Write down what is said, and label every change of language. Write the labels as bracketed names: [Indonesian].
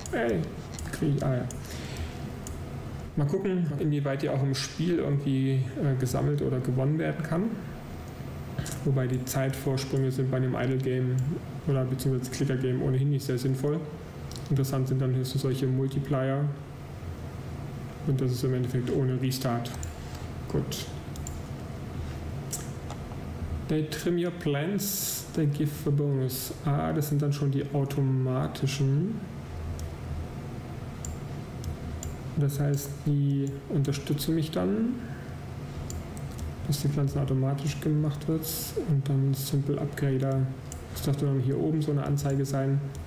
[German] Ey, kriege ich Eier. Mal gucken, inwieweit die auch im Spiel irgendwie gesammelt oder gewonnen werden kann. Wobei die Zeitvorsprünge sind bei einem Idle-Game oder beziehungsweise Clicker-Game ohnehin nicht sehr sinnvoll. Interessant sind dann höchstens solche Multiplier. Und das ist im Endeffekt ohne Restart. Gut. [English] They trim your plants, they give a bonus. [German] Ah, das sind dann schon die automatischen. Das heißt, die unterstützen mich dann, dass die Pflanzen automatisch gemacht wird. Und dann Simple Upgrader. Das dürfte dann hier oben so eine Anzeige sein.